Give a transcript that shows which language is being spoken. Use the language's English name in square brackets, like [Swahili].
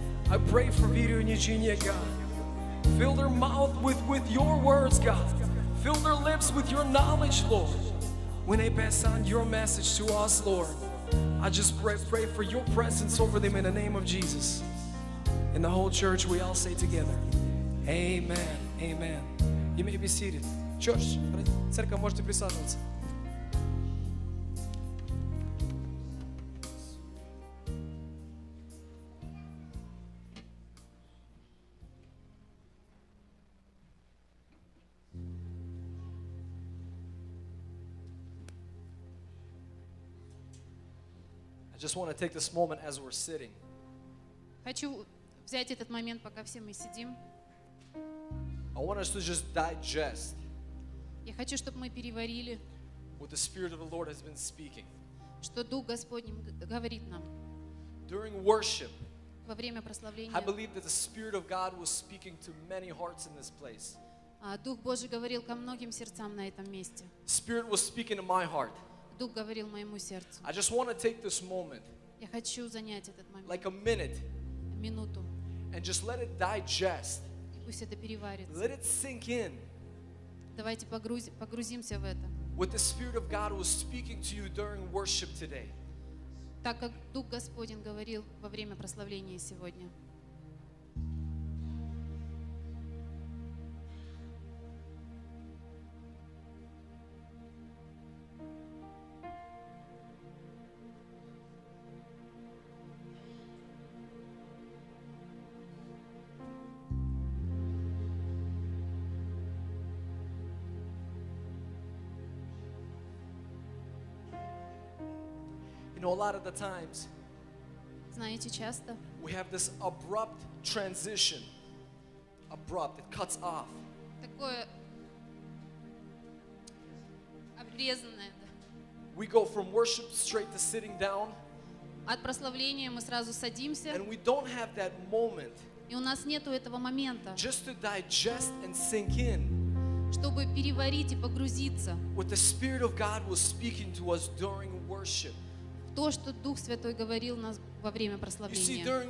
[English] I pray for Vito and Eugenia, God. Fill their mouth with your words, God. Fill their lips with your knowledge, Lord. When they pass on your message to us, Lord, I just pray for your presence over them in the name of Jesus. In the whole church, we all say together, amen, amen. You may be seated. [Russian] Church, церковь, можете присаживаться. [English] I just want to take this moment as we're sitting. [Russian] Хочу взять этот момент, пока все мы сидим. [English] I want us to just digest. [Russian] Я хочу, чтобы мы переварили. [English] What the Spirit of the Lord has been speaking. [Russian] Что Дух Господень говорит нам. [English] During worship. [Russian] Во время прославления. [English] I believe that the Spirit of God was speaking to many hearts in this place. [Russian] Дух Божий говорил ко многим сердцам на этом месте. [English] Spirit was speaking to my heart. [Russian] Дух говорил моему сердцу. [English] I just want to take this moment. [Russian] Я хочу занять этот момент. [English] Like a minute. [Russian] Минуту. [English] And just let it digest. [Russian] И пусть это переварится. [English] Let it sink in. [Russian] Давайте погрузимся в это. [English] What the Spirit of God was speaking to you during worship today. [Russian] Так как Дух Господень говорил во время прославления сегодня. [English] You know, a lot of the times, [Russian] знаете, часто, [English] we have this abrupt transition. Abrupt, it cuts off. [Russian] Такое обрезанное. [English] We go from worship straight to sitting down. [Russian] От прославления мы сразу садимся. [English] And we don't have that moment. [Russian] И у нас нету этого момента. [English] Just to digest and sink in. [Russian] Чтобы переварить и погрузиться. [English] What the Spirit of God was speaking to us during worship. [Russian] То, что Дух Святой говорил нас во время прославления.